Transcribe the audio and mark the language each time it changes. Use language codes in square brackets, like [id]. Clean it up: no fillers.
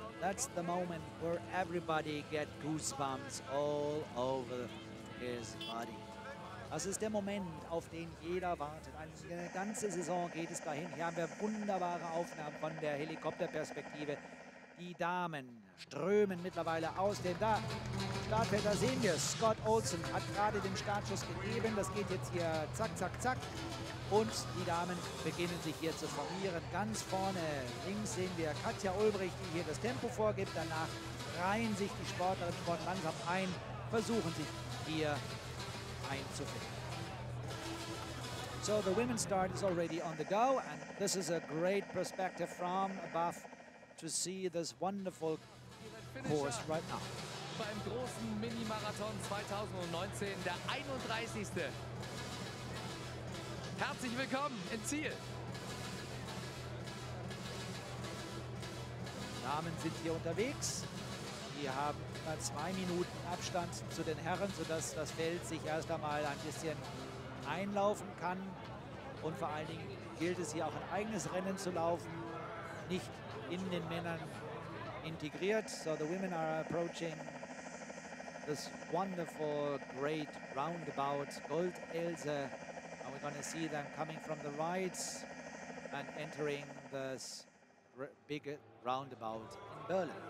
[en] That's the moment where everybody gets goosebumps all over his body. [de] Das ist der Moment, auf den jeder wartet. Eine ganze Saison geht es dahin. Hier haben wir wunderbare Aufnahmen von der Helikopterperspektive. Die Damen strömen mittlerweile aus dem Startfeld. Da sehen wir, Scott Olsen hat gerade den Startschuss gegeben. Das geht jetzt hier zack, zack, zack. Und die Damen beginnen sich hier zu formieren. Ganz vorne links sehen wir Katja Ulbricht, die hier das Tempo vorgibt. Danach reihen sich die Sportlerinnen und Sportler langsam ein, versuchen sich hier einzufinden. [en] So, the women's start is already on the go. And this is a great perspective from above to see this wonderful course right now. [de] Beim großen Mini-Marathon 2019, der 31. Herzlich willkommen im Ziel. Damen sind hier unterwegs. Die haben etwa 2 Minuten Abstand zu den Herren, sodass das Feld sich erst einmal ein bisschen einlaufen kann. Und vor allen Dingen gilt es hier auch ein eigenes Rennen zu laufen, nicht in den Männern integriert. [en] So the women are approaching this wonderful great roundabout. Gold Else, and we're going to see them coming from the right and entering this big roundabout in Berlin.